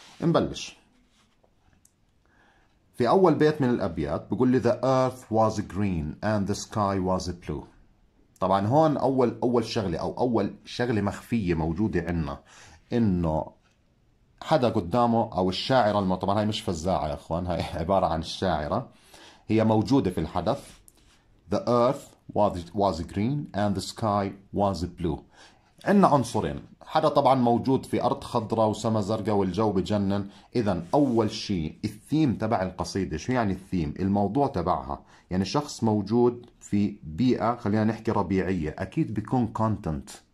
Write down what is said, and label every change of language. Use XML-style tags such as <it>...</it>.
<ar>نبلش في أول بيت من الأبيات, بيقول لي the earth was green and the sky was blue. طبعا هون أول شغلة أو أول شغلة مخفية موجودة عنا إنه حدا قدامه أو الشاعرة, طبعا هاي مش فزاعة يا أخوان, هاي عبارة عن الشاعرة, هي موجودة في الحدث.</ar> <en>The earth was green and the sky was blue.</en> <ar>عندنا عنصرين، حدا طبعا موجود في أرض خضراء وسما زرقاء والجو بجنن. إذا أول شيء الثيم تبع القصيدة، شو يعني الثيم؟ الموضوع تبعها، يعني شخص موجود في بيئة خلينا نحكي ربيعية، أكيد بيكون كونتنت.</ar>